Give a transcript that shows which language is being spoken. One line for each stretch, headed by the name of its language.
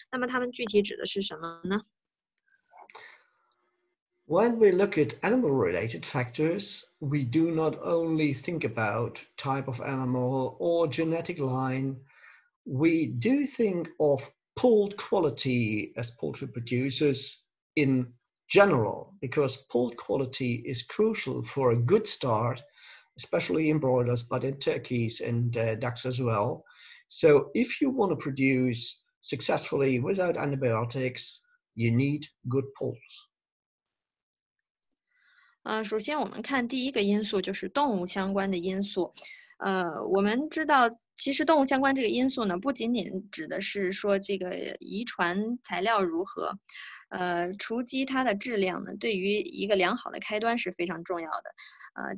Chinese: 那么它们具体指的是什么呢？
English: When we look at animal-related factors, we do not only think about type of animal or genetic line. We do think of pulled quality as poultry producers in general, because pulled quality is crucial for a good start, especially in broilers, but in turkeys and ducks as well. So if you want to produce successfully without antibiotics, you need good pulls.
Chinese: 首先我们看第一个因素，就是动物相关的因素。我们知道其实动物相关这个因素呢，不仅仅指的是说这个遗传材料如何，雏鸡它的质量呢，对于一个良好的开端是非常重要的。